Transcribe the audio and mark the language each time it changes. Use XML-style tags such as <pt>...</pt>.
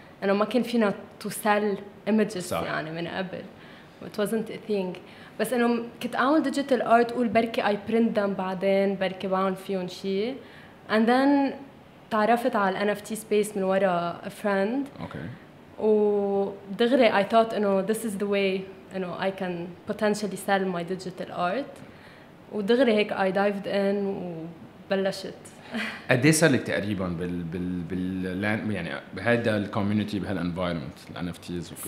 <ar>أنا ما كان فينا</ar> <en>to sell images</en> <ar>يعني من قبل.</ar> <en>It wasn't a thing.</en> <ar>بس أنا كنت أعمل digital art, قول بركي</ar> <en>I print them</en> <ar>بعدين, بركي بعمل فيهم شيء.</ar> <en>And then</en> <ar>تعرفت على</ar> <en>NFT space</en> <ar>من وراء</ar> <en>a friend. Okay.</en> <ar>ودغري</ar> <en>I thought you know this is the way you know I can potentially sell my digital art</en> <ar>ودغري هيك</ar> <en>I dived in</en> <ar>وبلشت. قد ايه صار لك تقريبا بال يعني بهذا الكوميونتي بهال انفايرمنت ال NFTs</ar>